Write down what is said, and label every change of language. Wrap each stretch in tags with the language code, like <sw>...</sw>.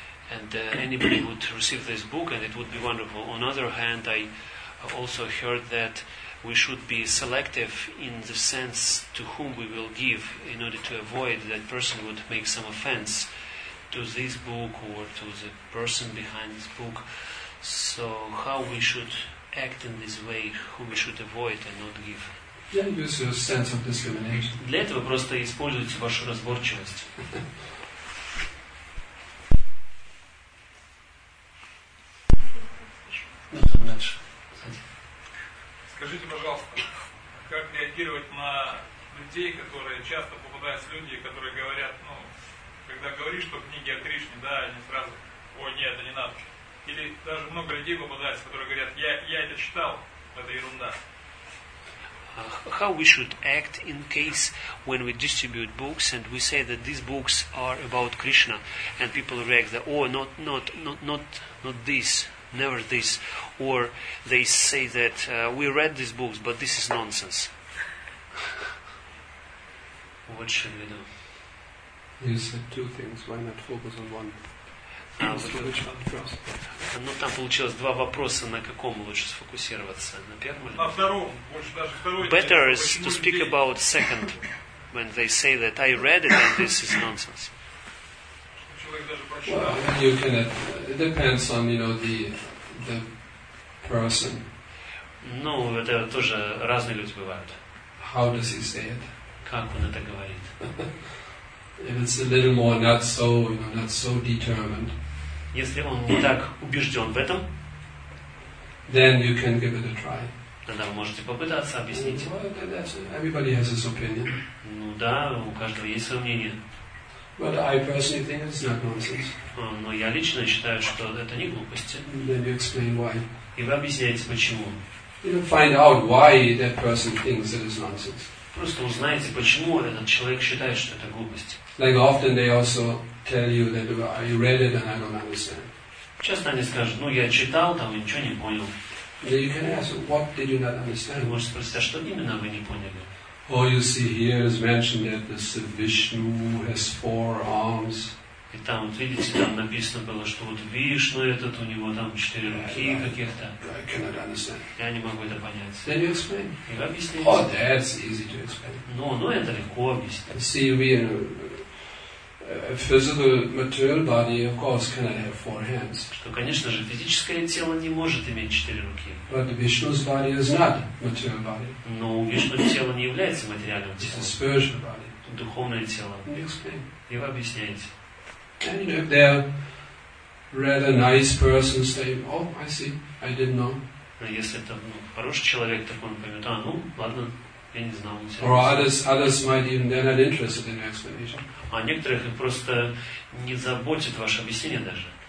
<en>And anybody would receive this book and it would be wonderful. On other hand, I also heard that we should be selective in the sense to whom we will give in order to avoid that person would make some offense to this book or to the person behind this book. So how we should act in this way, who we should avoid and not give. Yeah, use your sense of discrimination.</en> <ru>Для этого просто используйте вашу разборчивость. Скажите, пожалуйста, как реагировать на людей, которые часто попадаются люди, которые говорят, ну, когда говоришь, что книги о Кришне, да, они сразу, ой, нет, это не надо. Или даже много людей попадаются, которые говорят, я это читал, это ерунда.</ru> <en>How we should act in case when we distribute books and we say that these books are about Krishna and people react that, oh, not this, never this, or they say that we read these books but this is nonsense. What should we do? You said two things, why not focus on one?</en> <ru>Ну, там получилось два вопроса, на каком лучше сфокусироваться, на первом или на втором, больше даже второй.</ru> <en>Better is to speak about second, when they say that I read it and this is nonsense. Well, you can, it depends on, you know, the person.</en> <ru>Ну, это тоже разные люди бывают.</ru> <en>How does he say it?</en> <ru>Как он это говорит?</ru> <en>If it's a little more not so, you know, not so determined.</en> <ru>Если он не так убежден в этом,</ru> <en>then you can give it a try.</en> <ru>Тогда вы можете попытаться объяснить.</ru> <en>Well, everybody has his opinion.</en> <ru>Ну да, у каждого есть свое мнение.</ru> <en>But I personally think it's not nonsense.</en> <ru>Но я лично считаю, что это не глупости.</ru> <en>Then you explain why.</en> <ru>И вы объясняете почему.</ru> <en>You know, find out why that person thinks it is nonsense.</en> <ru>Просто узнаете, почему этот человек считает, что это глупость.</ru> <en>Like often they also tell you that I read it and I don't understand.</en> <ru>Часто они скажут, ну я читал там и ничего не понял.</ru> <en>Then you can ask, what did you not understand?</en> <ru>Вы можете спросить, а что именно вы не поняли?</ru> <en>Oh, you see, here is mentioned that this Vishnu has four arms.</en> <ru>И там, вот видите, там написано было, что вот Вишну этот, у него там четыре руки каких-то.</ru> <en>I cannot understand.</en> <ru>Я не могу это понять.</ru> <en>Then you explain.</en> <ru>И вы объясните.</ru> <en>Oh, that's easy to explain.</en> <ru>Ну, это легко объяснить.</ru> <en>See, we A physical material body, of course, cannot have four hands.</en> <ru>Что, конечно же, физическое тело не может иметь четыре руки.</ru> <en>But Vishnu's body is not material body.</en> <ru>Но Вишну тело не является материальным телом.</ru> <en>It's a spiritual body.</en> <ru>Духовное тело.</ru> <en>Explain.</en> <ru>И вы объясняете.</ru> <en>And you know, if they're rather nice person, say, oh, I see, I didn't know.</en> <ru>Но если это хороший человек, так он поймет, а, ну, ладно. Я не знал,</ru> <en>or others might even they're not interested in your explanation.</en> <ru>А некоторых просто не заботит ваше объяснение даже.</ru>